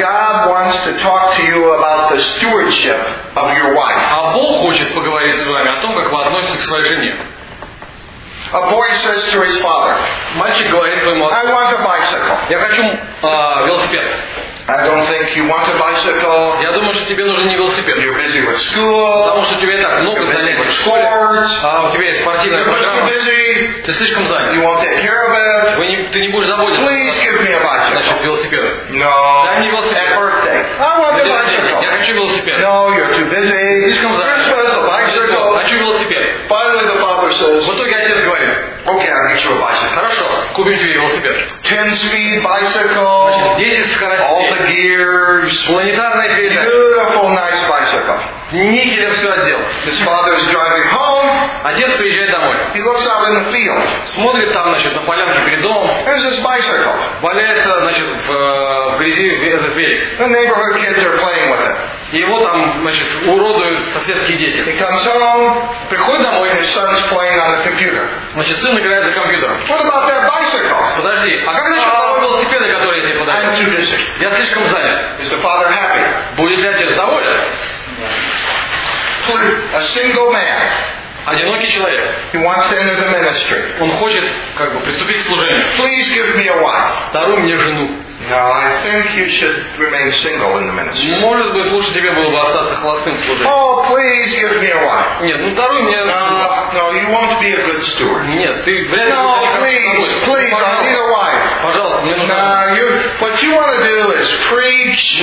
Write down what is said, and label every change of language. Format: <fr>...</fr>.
<en>God wants to talk to you about the stewardship of your wife.</en> <ru>А Бог хочет поговорить с вами о том, как вы относитесь к своей жене.</ru> <en>A boy says to his father,</en> <ru>"Мальчик говорит своему отцу,</ru> <en>I want a bicycle.</en> <ru>Я хочу велосипед.</ru> <en>I don't think you want a bicycle.</en> <ru>Я думаю, что тебе нужен не велосипед.</ru> <en>You're busy with school.</en> <ru>Потому что тебе так много занятий в школе. У тебя есть спортивная программа. Ты слишком занят.</ru> <en>You won't take care of it.</en> <ru>Ты не будешь заботиться.</ru> <en>Please give me a bicycle.</en> <ru>Значит, велосипед.</ru> <en>No.</en> <ru>Дай мне велосипед.</ru> <en>At birthday. I want a bicycle.</en> <ru>Я хочу велосипед.</ru> <en>No, you're too busy.</en> <ru>Слишком занят. Хочу велосипед.</ru> <en>Finally the father says.</en> <ru>В итоге отец говорит.</ru> <en>Okay, I'll get you a bicycle.</en> <ru>Хорошо, купим тебе велосипед.</ru> <en>10-speed bicycle.</en> <ru>Значит, 10 скоростей.</ru> <en>All the gears.</en> <ru>Планетарная педаль.</ru> <en>Beautiful, nice bicycle.</en> <ru>Никелем все отдел.</ru> <en>His father is driving home.</en> <ru>Отец приезжает домой.</ru> <en>He looks out in the field.</en> <ru>Смотрит там, значит, на полянке перед домом.</ru> <en>There's his bicycle.</en> <ru>Валяется, значит, в грязи этот велик.</ru> <en>The neighborhood kids are playing with it.</en> <ru>Его там, значит, уродуют соседские дети.</ru> <en>He comes home.</en> <ru>Приходит домой.</ru> <en>His son's playing on the computer.</en> <ru>Значит, сын играет за компьютером.</ru> <en>What about that bicycle?</en> <ru>Подожди, а как насчет того велосипеда, который я тебе подарил?</ru> <en>I'm too busy.</en> <ru>Я слишком занят.</ru> <en>Is the father happy?</en> <ru>Будет ли отец доволен?</ru> <en>A single man.</en> <ru>Одинокий человек.</ru> <en>He wants to enter the ministry.</en> <ru>Он хочет, как бы, приступить к служению.</ru> <en>Please give me a wife.</en> <ru>Даруй мне жену.</ru> <en>Now, I think you should remain single in the ministry.</en> <ru>Может быть, лучше тебе было бы остаться холостым служением.</ru> <en>Oh, please give me a wife.</en> <ru>Нет, ну даруй мне.</ru> <en>No, you won't be a good steward.</en> <ru>Нет, ты вряд ли.</ru> <en>No, please, I need a wife.</en> <ru>Пожалуйста, мне нужна.</ru> <en>What you want to do is preach.</en>